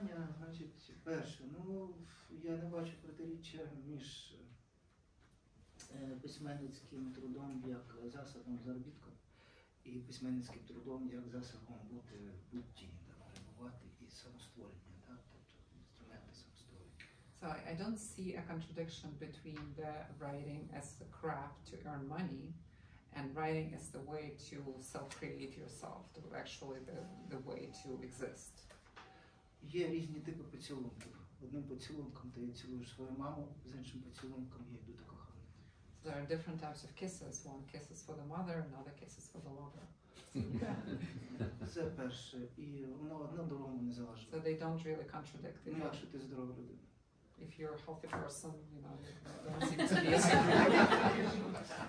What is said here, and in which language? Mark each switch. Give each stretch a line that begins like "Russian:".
Ukrainian: питання, значить, перше, ну, я не бачу протиріччя між письменницьким трудом як засобом заробітку і письменницьким трудом як засобом бути в будті, перебувати і самостворення, так? Тобто інструменти самостворення.
English: So I don't see a contradiction between the writing as the craft to earn money and writing as the way to self-create yourself, to actually the way to exist.
Ukrainian: Є різні типи поцілунків. Одним поцілунком ти цілуєш свою маму, з іншим поцілунком я йду до кохання.
English: There are different types of kisses. One kisses for the mother, another kisses for the lover.
Ukrainian: Це перше. І воно одне другому не залежить.
English: So they don't really contradict.
Ukrainian: Ну, якщо ти здорова людина.
English: If you're a healthy person, you know, don't seem to be a healthy